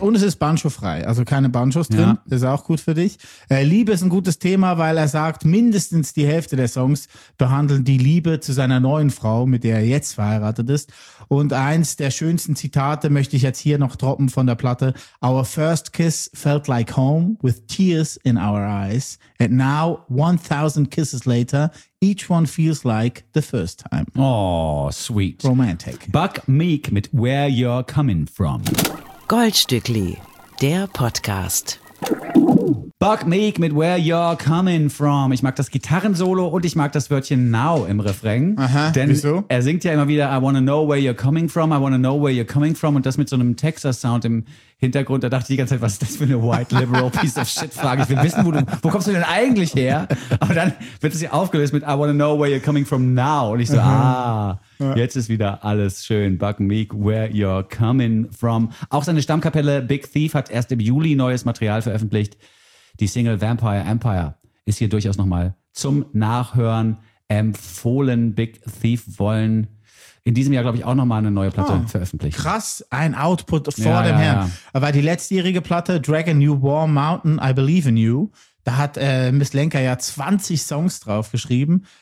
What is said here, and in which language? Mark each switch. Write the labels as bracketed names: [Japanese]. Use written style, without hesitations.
[German] Und es ist banjofrei, also keine Banjos drin. Das ist auch gut für dich. Liebe ist ein gutes Thema, weil er sagt, mindestens die Hälfte der Songs behandeln die Liebe zu seiner neuen Frau, mit der er jetzt verheiratet ist. Und eins der schönsten Zitate möchte ich jetzt hier noch droppen von der Platte. [English] Our first kiss felt like home with tears in our eyes. And now 1000 kisses later, each one feels like the first time. Oh, sweet. Romantic. [German] Buck Meek mit Where You're Coming From. Goldstückli, der Podcast. Buck Meek mit Where You're Coming From. Ich mag das Gitarrensolo und ich mag das Wörtchen now im Refrain. Aha, denn wieso? Er singt ja immer wieder [English] I wanna know where you're coming from, [German] I wanna know where you're coming from. Und das mit so einem Texas-Sound im Hintergrund. Da dachte ich die ganze Zeit, was ist das für eine [English] white liberal piece of shit [German] Frage? Ich will wissen, wo kommst du denn eigentlich her? Aber dann wird es ja aufgelöst mit [English] I wanna know where you're coming from now. [German] Und ich so, jetzt ist wieder alles schön. [English] Buck Meek, where you're coming from. [German] Auch seine Stammkapelle Big Thief hat erst im Juli neues Material veröffentlicht. Die Single Vampire Empire ist hier durchaus nochmal zum Nachhören empfohlen. Big Thief wollen in diesem Jahr, glaube ich, auch nochmal eine neue Platte veröffentlichen. Krass, ein Output vor dem Herrn. Ja. Weil die letztjährige Platte Dragon New Warm Mountain, I Believe in You, da hat Miss Lenker ja 20 Songs drauf geschrieben.